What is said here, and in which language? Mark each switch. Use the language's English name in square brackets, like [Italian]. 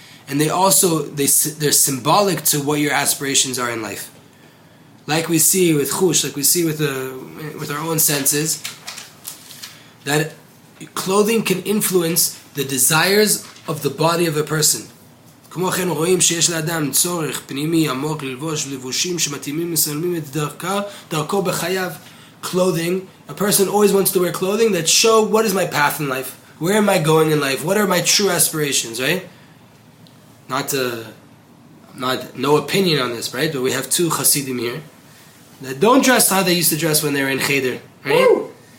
[English] And they also, they're symbolic to what your aspirations are in life. Like we see with Chush, like we see with our own senses, that clothing can influence the desires of the body of a person. [Hebrew] כמו כן רואים שיש לאדם צורך פנימי עמוק ללבוש לבושים שמתאימים מסלמים את דרכו בחייו. [English] Clothing, a person always wants to wear clothing that show what is my path in life, where am I going in life, what are my true aspirations, right? No opinion on this, right? But we have two chassidim here that don't dress how they used to dress when they were in cheder, right? Woo!